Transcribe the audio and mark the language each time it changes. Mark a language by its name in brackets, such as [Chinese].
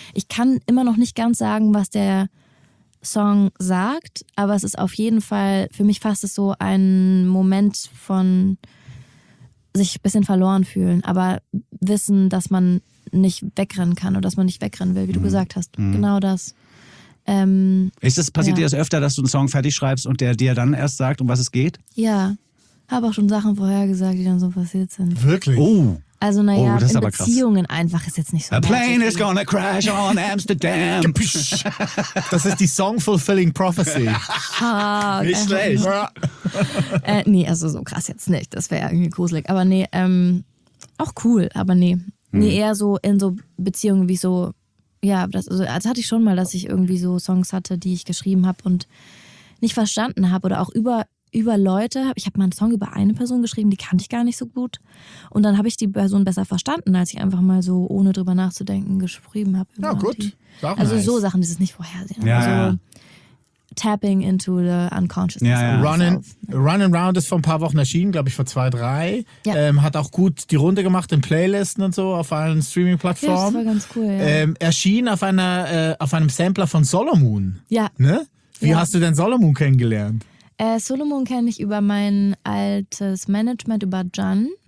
[German] Ich kann immer noch nicht ganz sagen, was der Song sagt, aber es ist auf jeden Fall, für mich fasst es so einen Moment von sich ein bisschen verloren fühlen, aber wissen, dass man nicht wegrennen kann und dass man nicht wegrennen will, wie du gesagt hast. Mhm. Genau das. Passiert dir das öfter, dass du einen Song fertig schreibst und der dir dann erst sagt, um was es geht? Ja, habe auch schon Sachen vorhergesagt, die dann so passiert sind. Wirklich? Oh. Also naja, in Beziehungen einfach ist jetzt nicht so. [English] A plane is gonna crash on Amsterdam. [German] Das ist die Song-Fulfilling Prophecy. Nicht schlecht. Nee, also so krass jetzt nicht. Das wäre irgendwie gruselig. Aber nee, auch cool, aber nee. Nee, eher so in so Beziehungen wie so. Ja, das hatte ich schon mal, dass ich irgendwie so Songs hatte, die ich geschrieben habe und nicht verstanden habe oder auch über Leute. Ich habe mal einen Song über eine Person geschrieben, die kannte ich gar nicht so gut. Und dann habe ich die Person besser verstanden, als ich einfach mal so, ohne drüber nachzudenken, geschrieben habe. Ja, gut. Also so Sachen, die es nicht vorhersehen. Ja, [English] Tapping into the unconsciousness. [German] Ja. Run and Round ist vor ein paar Wochen erschienen, glaube ich vor 2, 3. Ja. Hat auch gut die Runde gemacht in Playlisten und so auf allen Streaming-Plattformen. Ja, das war ganz cool, ja. Erschien auf einer auf einem Sampler von Solomun. Ja. Ne? Wie hast du denn Solomun kennengelernt? Solomun kenne ich über mein altes Management, über Jan.